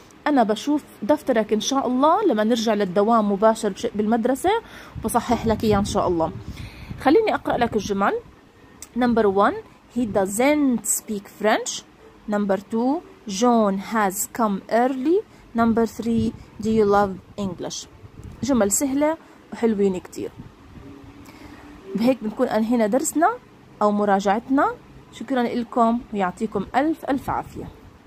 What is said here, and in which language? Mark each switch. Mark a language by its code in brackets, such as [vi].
[ar] انا بشوف دفترك ان شاء الله لما نرجع للدوام مباشر بالمدرسة وبصحح لك اياه ان شاء الله. خليني اقرأ لك الجمل. [en] Number one, he doesn't speak French. Number two, John has come early. Number three, do you love English. [ar] جمل سهلة وحلوين كتير. بهيك بنكون انهينا درسنا او مراجعتنا. شكرا لكم ويعطيكم الف الف عافيه.